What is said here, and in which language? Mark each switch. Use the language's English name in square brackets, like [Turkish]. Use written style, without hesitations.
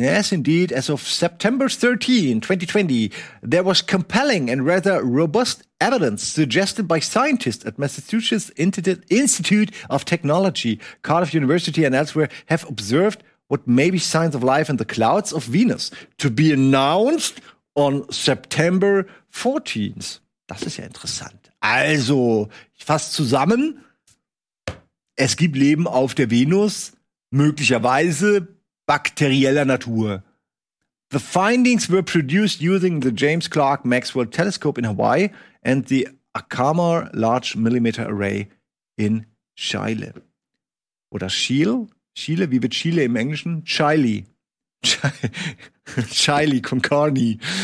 [English] Yes, indeed, as of September 13, 2020, there was compelling and rather robust evidence suggested by scientists at Massachusetts Institute of Technology, Cardiff University and elsewhere have observed what may be signs of life in the clouds of Venus to be announced on September 14. [German] Das ist ja interessant. Also, ich fasse zusammen. Es gibt Leben auf der Venus, möglicherweise bakterieller Natur. [English] The findings were produced using the James Clerk Maxwell Telescope in Hawaii and the Acamar Large Millimeter Array in Chile. [German] Oder Chile? Chile? Wie wird Chile im Englischen? Chile. [Spanish] Chile con carne.